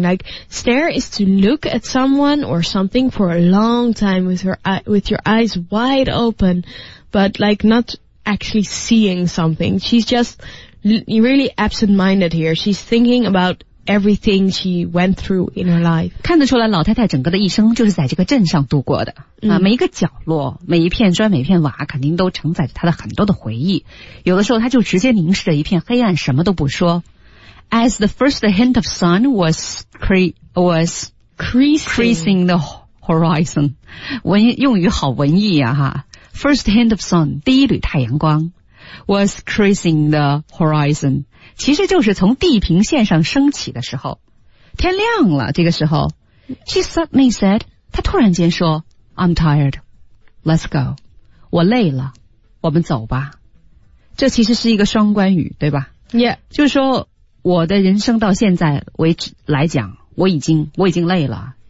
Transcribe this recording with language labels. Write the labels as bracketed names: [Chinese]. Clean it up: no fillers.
[English] Like stare is to look at someone or something for a long time with your eyes wide open, but like not... actually seeing something. She's just really absent-minded here. She's thinking about everything she went through in her life. [Chinese] 看得出来老太太整个的一生就是在这个镇上度过的、嗯、每一个角落每一片砖每一片瓦肯定都承载着她的很多的回忆，有的时候她就直接凝视着一片黑暗什么都不说。 [English] As the first hint of sun was creasing the horizon. [Chinese] 文用语好文艺啊哈。 [English] First hint of sun, [Chinese] 第一缕太阳光 [English] was creasing the horizon, [Chinese] 其实就是从地平线上升起的时候，天亮了这个时候。 [English] She suddenly said, [Chinese] 她突然间说 [English] I'm tired, let's go. [Chinese] 我累了，我们走吧。这其实是一个双关语，对吧？ [English] Yeah. [Chinese] 就是说我的人生到现在为止来讲，我已经累了。